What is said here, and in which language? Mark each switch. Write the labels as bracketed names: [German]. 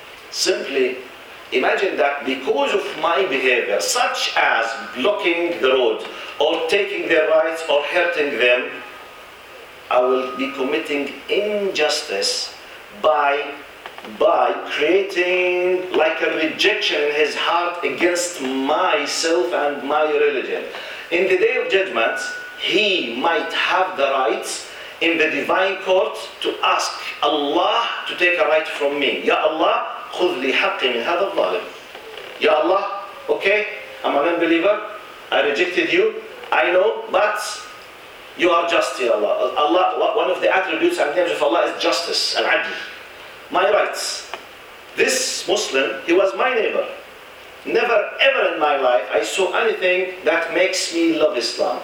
[English] Simply, imagine that because of my behavior, such as blocking the road, or taking their rights, or hurting them, I will be committing injustice by creating like a rejection in his heart against myself and my religion. In the day of judgment, he might have the right in the divine court to ask Allah to take a right from me. [Arabic] Ya Allah, خذ لي حقي من هذا الظالم. [English] Ya Allah, okay, I'm an unbeliever, I rejected you, I know, but you are just, Ya Allah. Allah, one of the attributes and names of Allah is justice, al-adl. My rights. This Muslim, he was my neighbor. Never ever in my life I saw anything that makes me love Islam.